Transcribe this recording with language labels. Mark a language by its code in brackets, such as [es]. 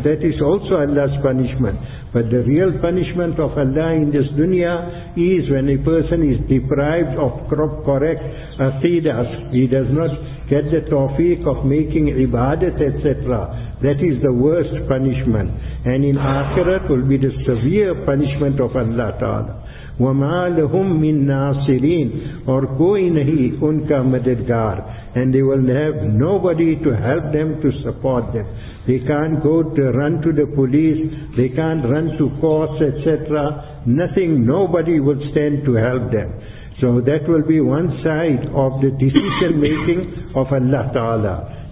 [en] That is also Allah's punishment. But the real punishment of Allah in this dunya is when a person is deprived of correct aqidah. He does not get the tawfiq of making ibadat, etc. That is the worst punishment. And in akhirat will be the severe punishment of Allah Ta'ala. [ar] وَمَا لَهُم مِّن نَاصِرِينَ, [ur] اور کوئی نہیں ان کا مددگار. [en] And they will have nobody to help them, to support them. They can't go to run to the police, they can't run to courts, etc. Nothing, nobody will stand to help them. So that will be one side of the decision making of Allah Ta'ala.